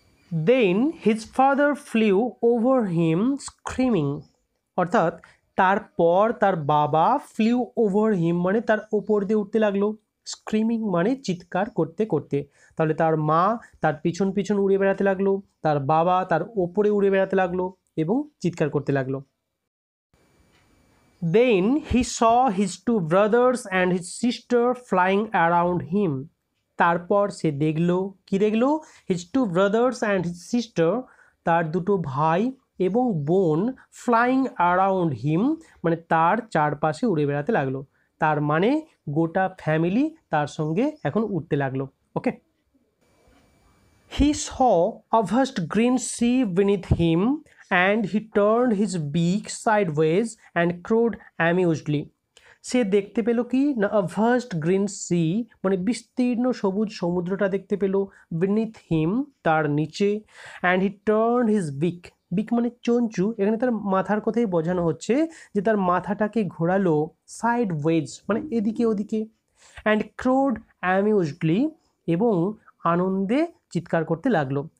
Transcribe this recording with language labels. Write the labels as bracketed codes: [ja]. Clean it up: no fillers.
[en] then his father flew over him screaming, [bn] অর্থাৎ তারপর তার বাবা [en] flew over him [bn] মানে তার ওপর দিয়ে উঠতে লাগলো, স্ক্রিমিং মানে চিৎকার করতে করতে। তাহলে তার মা তার পিছন পিছন উড়ে বেড়াতে লাগলো, তার বাবা তার ওপরে উড়ে বেড়াতে লাগলো এবং চিৎকার করতে লাগলো। [en] Then he saw his two brothers and his sister flying around him. [bn] তারপর সে দেখলো, কি দেখলো, [en] his two brothers and his sister, [bn] তার দুটো ভাই এবং বোন [en] flying around him [bn] মানে তার চারপাশে উড়ে বেড়াতে লাগলো, তার মানে গোটা ফ্যামিলি তার সঙ্গে এখন উঠতে লাগলো, ওকে। [en] He saw a vast green sea beneath him and he turned his beak sideways and crowed amusedly. [bn] সে দেখতে পেল কি না, [en] a vast green sea [bn] মানে বিস্তীর্ণ সবুজ সমুদ্রটা দেখতে পেল, [en] beneath him [bn] তার নিচে, [en] and he turned his beak, [bn] beak মানে চঞ্চু, এখানে তার মাথার কথাই বোঝানো হচ্ছে যে তার মাথাটাকে ঘোরালো sideways মানে এদিকে ওদিকে, [en] and crowed amusedly [bn] এবং আনন্দে চিৎকার করতে লাগলো।